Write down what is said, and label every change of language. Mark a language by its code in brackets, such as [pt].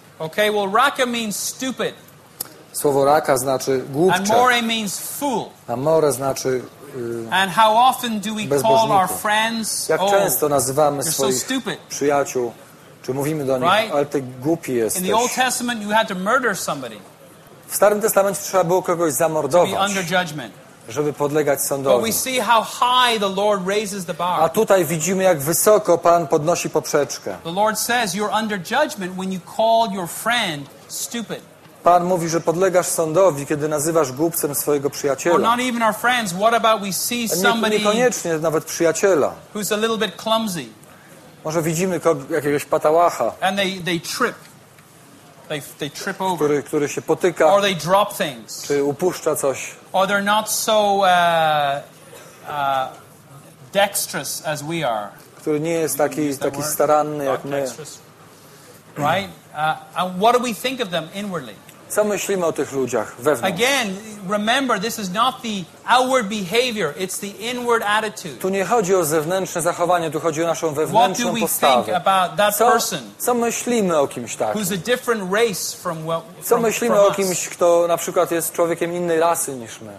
[en] Okay, well, raka means stupid. [pl] Słowo raka znaczy głupcze. [en] And more means fool. [pl] A more znaczy [en] And how often do we [pl] bezbożniku. [en] Call our friends, [pl] jak często nazywamy [en] you're [pl] swoich [en] so stupid. [pl] Przyjaciół, czy mówimy do nich, [en] right? [pl] Ale ty głupi jesteś. [en] In the Old Testament you had to murder somebody. [pl] W Starym Testamencie trzeba było kogoś zamordować. [en] To be under judgment. [pl] Żeby podlegać sądowi. [en] But we see how high the Lord raises the bar. [pl] A tutaj widzimy, jak wysoko Pan podnosi poprzeczkę. [en] The Lord says you're under judgment when you call your friend stupid. [pl] Pan mówi, że podlegasz sądowi, kiedy nazywasz głupcem swojego przyjaciela. [en] Or not even our friends. What about we see somebody? [pl] Niekoniecznie nawet przyjaciela. [en] Who's a little bit clumsy? [pl] Może widzimy jakiegoś patałacha. [en] And they trip. They trip over. [pl] Który się potyka. [en] Or they drop things. [pl] Czy upuszcza coś. [en] Or they're not so dexterous as we are. [pl] Który nie jest taki staranny jak my. [en] Right? And what do we think of them inwardly? [pl] Co myślimy o tych ludziach wewnątrz? [en] Again, remember, this is not the outward behavior, it's the inward attitude. [pl] Tu nie chodzi o zewnętrzne zachowanie, tu chodzi o naszą wewnętrzną postawę. [en] What do we think about that person? [pl] Co myślimy o kimś takim? [en] Who's a different race from what? [pl] Co myślimy o kimś, kto na przykład jest człowiekiem innej rasy niż my?